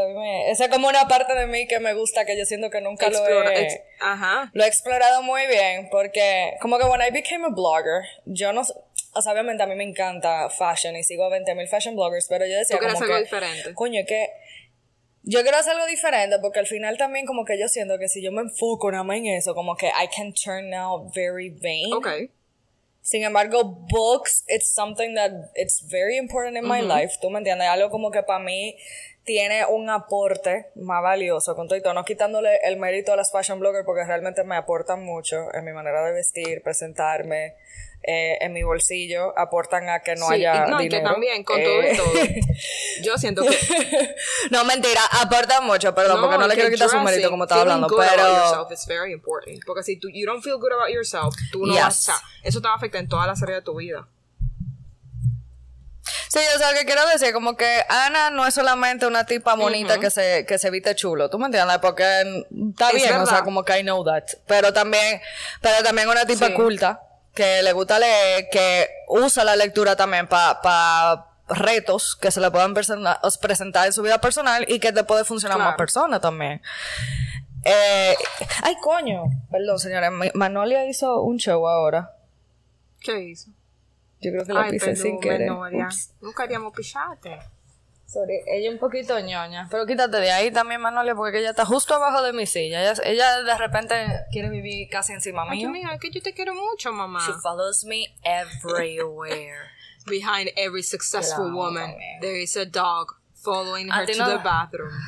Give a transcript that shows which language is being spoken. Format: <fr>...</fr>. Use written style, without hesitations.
<es>A mí me, esa es como una parte de mí que me gusta, que yo siento que nunca lo he explorado muy bien, porque como que</es> <en>when I became a blogger,</en> <es>yo no, o sea, obviamente a mí me encanta fashion y sigo a 20,000 fashion bloggers, pero yo decía como que, diferente. Coño, que yo quiero hacer algo diferente porque al final también como que yo siento que si yo me enfoco nada más en eso, como que</es> <en>I can turn now very vain. Okay.</en> <es>Sin embargo,</es> <en>books, it's something that it's very important in my life,</en> <es>¿tú me entiendes? Algo como que para mí tiene un aporte más valioso con todo y todo, no quitándole el mérito a las fashion bloggers porque realmente me aportan mucho en mi manera de vestir, presentarme. En mi bolsillo, aportan a que no haya dinero. Y que también, con todo y todo, yo siento que... No, mentira, aportan mucho, perdón, porque no le quiero quitar su mérito, como estaba hablando, pero...</es> <en>Feeling good about yourself is very important,</en> <es>porque si</es> <en>you don't feel good about yourself,</en> <es>tú no vas a... Eso te va a afectar en toda la serie de tu vida. Sí, o sea, lo que quiero decir, como que Ana no es solamente una tipa bonita que se viste chulo, ¿tú me entiendes? Porque está bien, verdad. O sea, como que</es> <en>I know that,</en> <es>pero también una tipa culta, que le gusta leer, que usa la lectura también para retos que se le puedan presentar en su vida personal y que te puede funcionar más persona también. ¡Ay, coño! Perdón, señores. Manolia hizo un show ahora. ¿Qué hizo? Yo creo que lo pisé sin querer. Nunca queríamos pisarte. Sorry, ella un poquito ñoña, pero quítate de ahí también, Manolia, porque ella está justo abajo de mi silla. Ella de repente quiere vivir casi encima mío. Ay, mía, es que yo te quiero mucho, mamá.</es> <en>She follows me everywhere. Behind every successful woman, there is a dog following her to the bathroom.</en>